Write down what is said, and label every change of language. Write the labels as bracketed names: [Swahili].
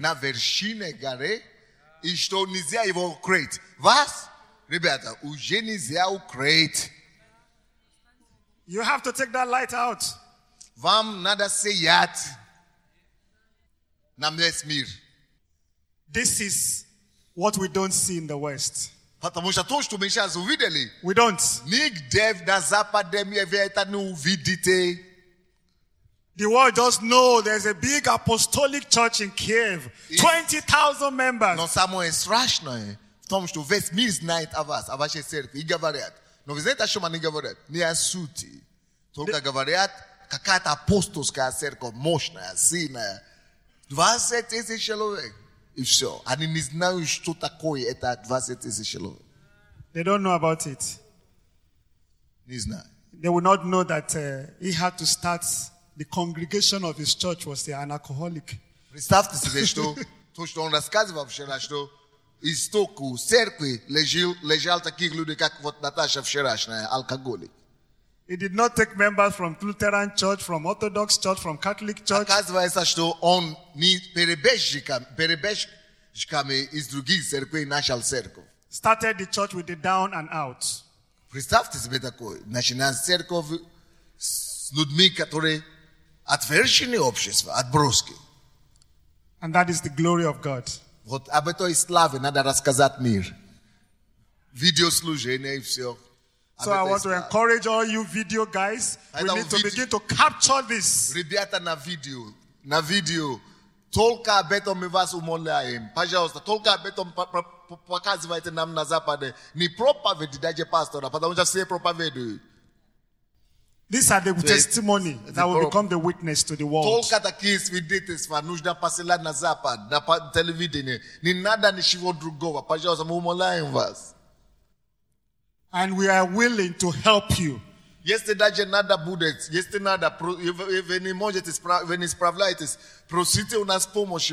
[Russian] На вершине горы, и что нельзя его укрыть. Вас, ребята, уже нельзя укрыть. [English] You have to take that light out. [Russian] Вам надо сиять на весь мир. [English] This is what we don't see in the West. [Russian] Потому что то, что мы сейчас увидели, [English] we don't. [Russian] Нигде в Западе мне вы это не увидите. [English] The world does know there's a big apostolic church in Kiev. 20,000 members. [Russian] Но самое страшное в том, что весь мир знает о вас, о вашей церкви. И говорят, но вы знаете, о чем они говорят? Не о сути. Только говорят, какая-то апостольская церковь, мощная, сильная. 20 тысяч человек. И все. Они не знают, что такое это 20 тысяч человек. [English] They don't know about it. [Russian] Не знаю. [English] They will not know that he had to start the congregation of his church was an alcoholic. [Russian] Представьте себе, что то, что он рассказывал вчера, что исток у церкви лежал таких людей, как вот Наташа вчерашняя, алкоголик. [English] He did not take members from Lutheran church, from Orthodox church, from Catholic church. [Russian] Оказывается, что он не перебежчиками из других церквей начал церковь. [English] Started the church with the down and out. [Russian] Представьте себе такое. Начинал церковь с людьми, которые отвержены общества, отброски. [English] And that is the glory of God. [Russian] Вот об этой славе надо рассказать мир. Видеослужение и все. [English] So I want to encourage all you video guys. We need to begin to capture this. [Russian] Ребята на видео. На видео. Только об этом мы вас умоляем. Пожалуйста, только об этом показывайте нам на Западе. Не проповеди, даже пастора, потому что все проповедуют. [English] These are the testimony that will become the witness to the world. [Russian] Только такие свидетельства нужно посылать на Запад, на телевидение. Не надо ничего другого. Пожалуйста, мы умоляем вас. [English] And we are willing to help you. [Russian] Если даже надо будет, если надо, вы не можете, вы не справляетесь, просите у нас помощи.